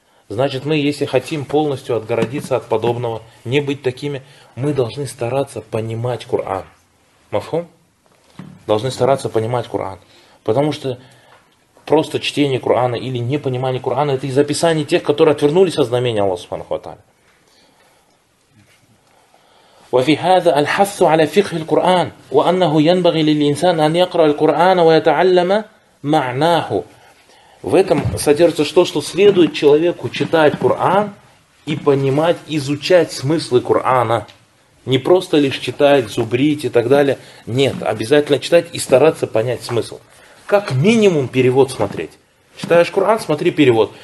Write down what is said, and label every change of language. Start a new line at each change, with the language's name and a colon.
Russian: Значит, мы, если хотим полностью отгородиться от подобного, не быть такими, мы должны стараться понимать Коран. Мафхум? Должны стараться понимать Коран. Потому что просто чтение Корана или непонимание Корана, это из описаний тех, которые отвернулись от знамения Аллаха Субханаху ва Тааля.
Arabic: وفي هذا الحث على فقه القرآن وأنه ينبغي للإنسان أن يقرأ القرآن ويتعلم معناه.
Russian: В этом содержится что следует человеку читать Коран и понимать, изучать смыслы Корана. Не просто лишь читать, зубрить и так далее. Нет, обязательно читать и стараться понять смысл. Как минимум перевод смотреть. Читаешь Коран, смотри перевод.